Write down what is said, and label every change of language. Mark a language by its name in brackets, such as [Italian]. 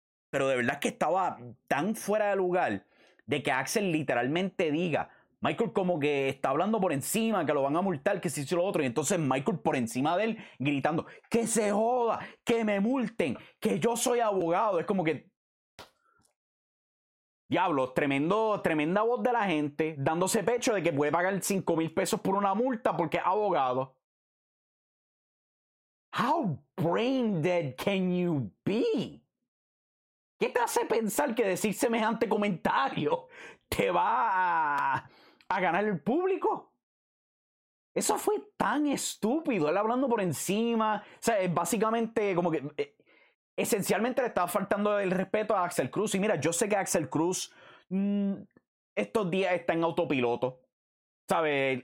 [Spanish] Pero de verdad es que estaba tan fuera de lugar de que Axel literalmente diga, Michael como que está hablando por encima, que lo van a multar, que se hizo lo otro. Y entonces Michael por encima de él gritando, que se joda, que me multen, que yo soy abogado. Es como que, diablo, tremenda voz de la gente dándose pecho de que puede pagar 5,000 pesos por una multa porque es abogado. [English] How brain dead can you be? [Spanish] ¿Qué te hace pensar que decir semejante comentario te va a ganar el público? Eso fue tan estúpido. Él hablando por encima. O sea, básicamente como que esencialmente le estaba faltando el respeto a Axel Cruz. Y mira, yo sé que Axel Cruz estos días está en autopiloto. ¿Sabes?